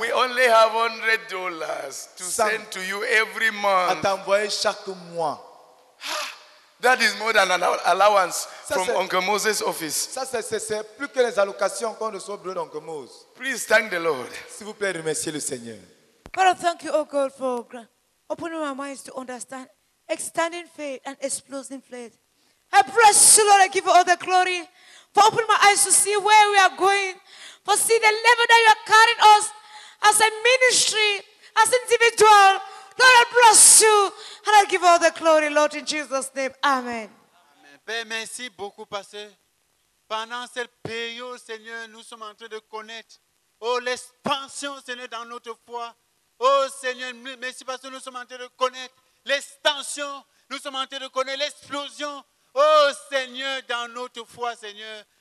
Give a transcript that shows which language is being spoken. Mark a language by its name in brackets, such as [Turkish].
[English] We only have $100 to send to you every month. [French] À t'envoyer chaque mois. [English] That is more than an allowance from Uncle Moses' office. [French] Ça, c'est plus que les allocations qu'on reçoit de l'Oncle Mose. [English] Please thank the Lord. [French] S'il vous plaît, remerciez le Seigneur. [English] Father, thank you, oh God, for opening my minds to understand extending faith and exploding faith. I bless you, Lord, I give you all the glory for opening my eyes to see where we are going, for seeing the level that you are carrying us as a ministry, as individual. Lord, I bless you. And I give all the glory, Lord, in Jesus' name. Amen. [French] Père, merci beaucoup, parce que pendant cette période, Seigneur, nous sommes en train de connaître, oh, l'expansion, Seigneur, dans notre foi. Oh, Seigneur, merci parce que nous sommes en train de connaître l'extension, nous sommes en train de connaître l'explosion, oh, Seigneur, dans notre foi, Seigneur.